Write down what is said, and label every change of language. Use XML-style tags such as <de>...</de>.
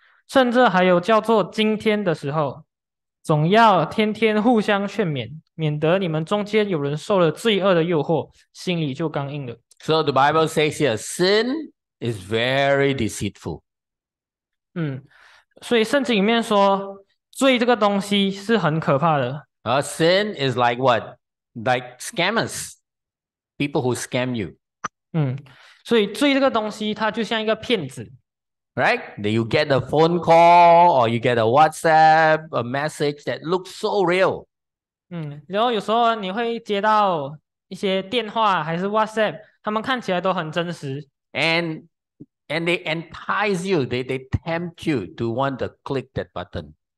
<zh>那我们来读希伯来书第3章第12到第13节。弟兄们，你们要小心，免得你们中间有人存着邪恶、不信的心，以致离弃了永活的神。趁着还有叫做今天的时候。总要天天互相劝勉，免得你们中间有人受了罪恶的诱惑，心里就刚硬了。</zh> <en>So the Bible says here, sin is very deceitful.</en> <zh>所以圣经里面说，罪这个东西是很可怕的。</zh> <en>Sin is like what? Like scammers, people who scam you.</en> <zh>所以罪这个东西，它就像一个骗子。</zh> <en>Right? Then you get a phone call or you get a WhatsApp, a message that looks so real.</en> <zh>然后有时候你会接到一些电话还是WhatsApp, 他们看起来都很真实。</zh> <en>And they entice you, they tempt you to want to click that button.</en>